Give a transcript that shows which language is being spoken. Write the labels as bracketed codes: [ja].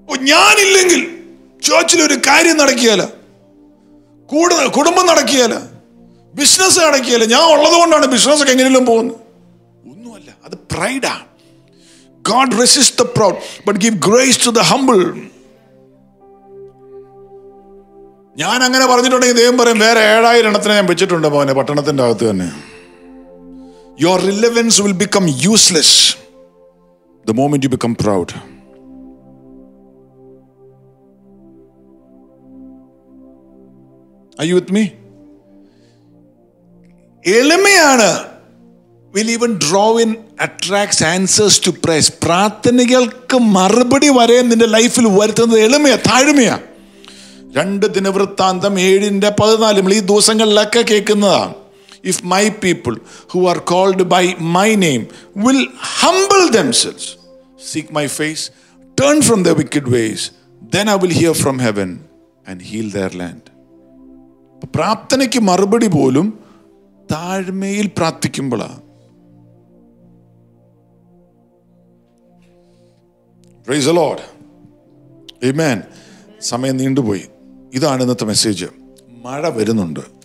[ml] ഞാനില്ലെങ്കിൽ ചോച്ചിൽ ഒരു കാര്യം നടക്കുകയല്ല, കൂടുതൽ കുടുംബം നടക്കുകയല്ല, ബിസിനസ് നടക്കുകയല്ല, ഞാൻ ഉള്ളത് കൊണ്ടാണ് ബിസിനസ് ഒക്കെ എങ്ങനെയെങ്കിലും പോകുന്നത്, ഒന്നുമല്ല, അത് പ്രൈഡാണ്. [en] God resists the proud but give grace to the humble. [ml] ഞാൻ അങ്ങനെ പറഞ്ഞിട്ടുണ്ടെങ്കിൽ ദൈവം പറയും വേറെ 7000 ഞാൻ വെച്ചിട്ടുണ്ട് മോനെ പട്ടണത്തിന്റെ അകത്ത് തന്നെ. [en] Your relevance will become useless the moment you become proud. Are you with me? [ml] എളിമയാണ് [en] will even draw in, attracts answers to prayers. [ml] പ്രാർത്ഥനകൾക്ക് മറുപടി വരെ നിന്റെ ലൈഫിൽ വരുത്തുന്നത് എളിമയാ, താഴ്മയാ. രണ്ട് ദിനവൃത്താന്തം 7:14 നമ്മൾ ഈ ദിവസങ്ങളിലൊക്കെ കേൾക്കുന്നതാണ്. [en] If my people who are called by my name will humble themselves, seek my face, turn from their wicked ways, then I will hear from heaven and heal their land. [ml] പ്രാർത്ഥനയ്ക്ക് മറുപടി പോലും താഴ്മയിൽ പ്രാർത്ഥിക്കുമ്പോഴാണ്. [en] Praise the Lord. Amen. [ml] സമയം നീണ്ടുപോയി. ഇതാണ് ഇന്നത്തെ message. മഴ വരുന്നുണ്ട്.